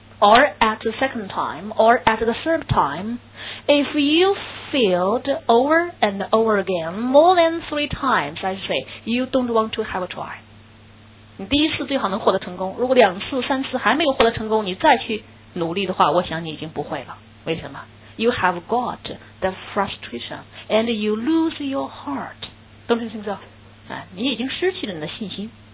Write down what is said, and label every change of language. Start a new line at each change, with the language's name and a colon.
English: or at the second time, or at the third time, if you failed over and over again, more than three times, I say, you don't want to have a try.
Chinese: 你第一次最好能获得成功，如果两次、三次还没有获得成功，你再去努力的话，我想你已经不会了。为什么？
English: You have got the frustration and you lose your heart. Don't you think so?
Chinese: 你已经失去了你的信心。